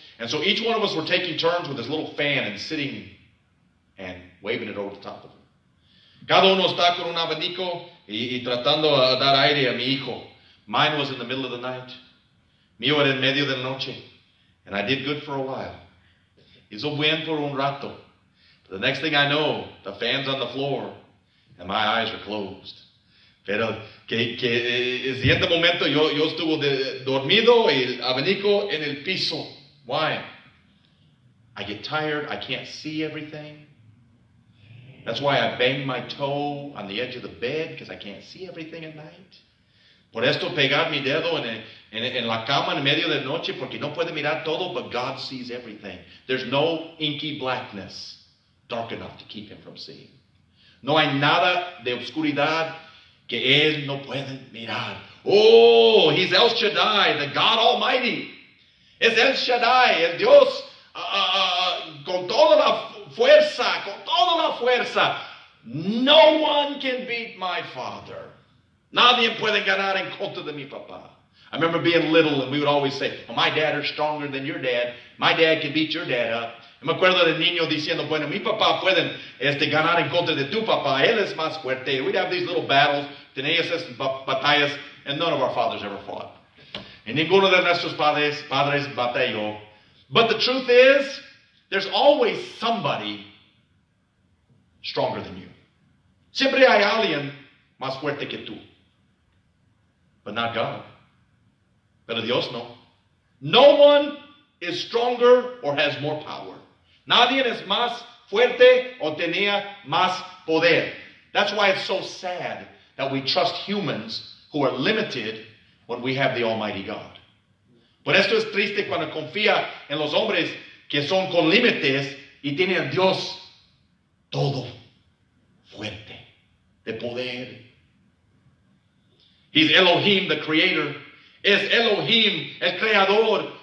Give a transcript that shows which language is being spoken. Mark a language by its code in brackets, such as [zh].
[en] And so each one of us were taking turns with his little fan and sitting and waving it over the top of him. [es] Cada uno está con un abanico y tratando de dar aire a mi hijo. [en] Mine was in the middle of the night. [es] Mío era en medio de la noche. [en] And I did good for a while. [es] Hizo bien por un rato. [en] But the next thing I know, the fan's on the floor and my eyes are closed. [es] Pero que el siguiente momento yo estuvo dormido y el abanico en el piso. [en] Why? I get tired. I can't see everything. That's why I bang my toe on the edge of the bed, because I can't see everything at night. [es] Por esto pegar mi dedo en la cama en medio de noche, porque no puede mirar todo, [en] but God sees everything. There's no inky blackness dark enough to keep him from seeing. [es] No hay nada de oscuridad que él no puede mirar. [en] Oh, he's El Shaddai, the God Almighty. [es] Es El Shaddai, el Dios con toda la fuerza, con toda la fuerza. [en] No one can beat my father. [es] Nadie puede ganar en contra de mi papá. [en] I remember being little and we would always say, well, my dad is stronger than your dad. My dad can beat your dad up. [es] Me acuerdo de niño diciendo, bueno, mi papá puede ganar en contra de tu papá. Él es más fuerte. [en] We'd have these little battles, [es] tenías esas batallas, [en] and none of our fathers ever fought. And [es] ninguno de nuestros padres batalló. [en] But the truth is, there's always somebody stronger than you. [es] Siempre hay alguien más fuerte que tú. [en] But not God. [es] Pero Dios no. [en] No one is stronger or has more power. [es] Nadie es más fuerte o tenía más poder. [en] That's why it's so sad that we trust humans who are limited when we have the Almighty God. [es] Por esto es triste cuando confía en los hombres que son con límites y tienen a Dios todo fuerte, de poder. [en] He's Elohim, the creator. [es] Es Elohim, el creador.